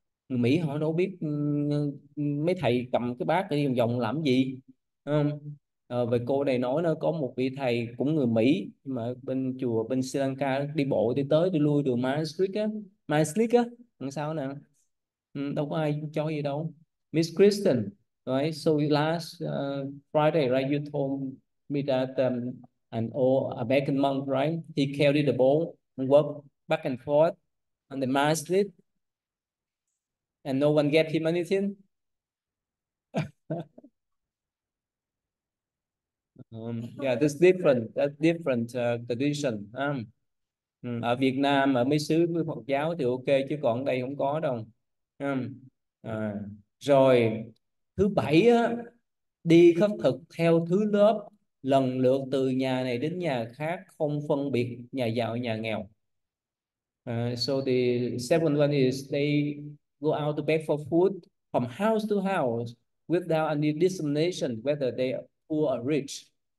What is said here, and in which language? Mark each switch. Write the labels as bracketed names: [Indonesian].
[Vietnamese] Mỹ họ đâu biết mấy thầy cầm cái bát đi vòng vòng làm gì, không? Về cô này nói nó có một vị thầy cũng người Mỹ mà bên chùa bên Sri Lanka đi bộ đi tới đi lui đường Manuscript á, làm sao nè, đâu có ai cho gì đâu. [English] Miss Kristen, right? So last Friday, right? You told me that an American monk, right? He carried the bowl and walked back and forth on the Manuscript. And no one gave him anything. Yeah, that's different tradition. [Vietnamese] Ở Việt Nam, ở mấy xứ với Phật giáo thì ok, chứ còn đây không có đâu. Rồi thứ bảy á, đi khất thực theo thứ lớp lần lượt từ nhà này đến nhà khác, không phân biệt nhà giàu nhà nghèo. [English] So the seventh one is they go out to beg for food from house to house without any discrimination whether they are poor or rich.